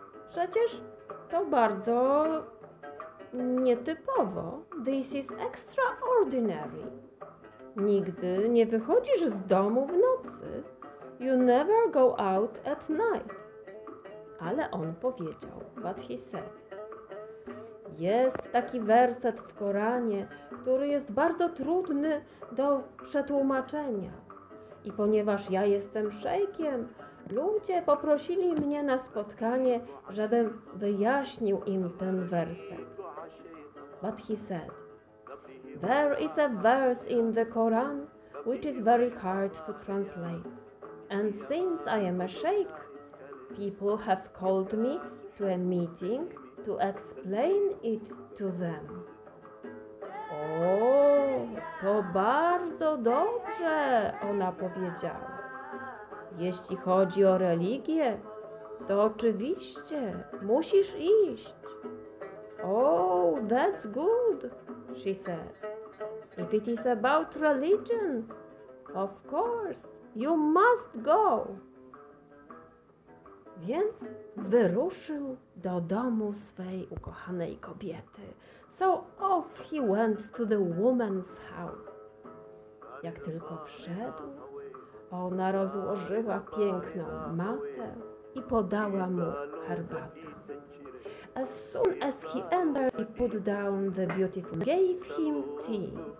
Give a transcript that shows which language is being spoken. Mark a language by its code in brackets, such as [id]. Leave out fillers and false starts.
[pl] Przecież to bardzo nietypowo. [en] This is extraordinary. [pl] Nigdy nie wychodzisz z domu w nocy. [en] You never go out at night. [pl] Ale on powiedział, [en] but he said. [pl] Jest taki werset w Koranie, który jest bardzo trudny do przetłumaczenia. I ponieważ ja jestem szejkiem, ludzie poprosili mnie na spotkanie, żebym wyjaśnił im ten werset. [en] But he said, there is a verse in the Quran which is very hard to translate. And since I am a sheikh, people have called me to a meeting to explain it to them. [pl] O, to bardzo dobrze, ona powiedziała. Jeśli chodzi o religię, to oczywiście musisz iść. [en] O, that's good, she said. If it is about religion, of course, you must go. [pl] Więc wyruszył do domu swej ukochanej kobiety. [en] So off he went to the woman's house. [pl] Jak tylko wszedł, ona rozłożyła piękną matę i podała mu herbatę. [en] as soon as he entered, he put down the beautiful and gave him tea.